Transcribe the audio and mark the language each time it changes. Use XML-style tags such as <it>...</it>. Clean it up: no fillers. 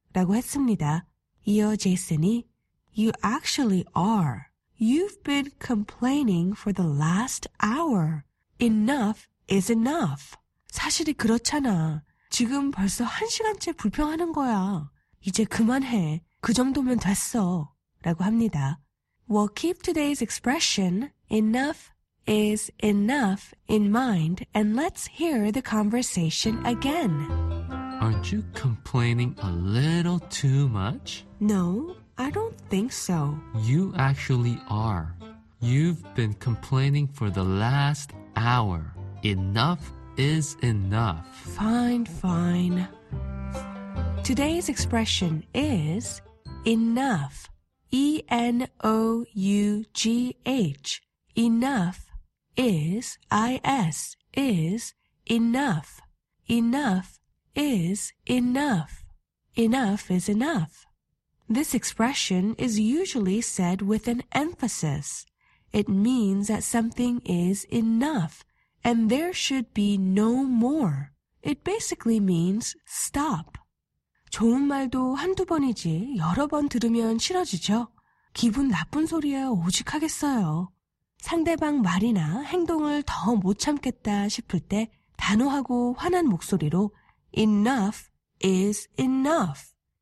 <ko>라고 했습니다. 이어 제이슨이</ko> <en>You actually are. You've been complaining for the last hour. Enough is enough.</en> <ko>사실이 그렇잖아. 지금 벌써 한 시간째 불평하는 거야. 이제 그만해. 그 정도면 됐어. 라고 합니다.</ko> <en>We'll keep today's expression, enough is enough, in mind, and let's hear the conversation again. Aren't you complaining a little too much? No, I don't think so. You actually are. You've been complaining for the last hour. Enough is enough. Fine, fine. Today's expression is enough. E-N-O-U-G-H. Enough is, I-S, is enough. Enough is enough. Enough is enough. This expression is usually said with an emphasis. It means that something is enough and there should be no more. It basically means stop.</en> <ko>좋은 말도 한두 번이지 여러 번 들으면 싫어지죠. 기분 나쁜 소리에 오죽하겠어요. 상대방 말이나 행동을 더 못 참겠다 싶을 때 단호하고 화난 목소리로</ko> <en>enough is enough.</en>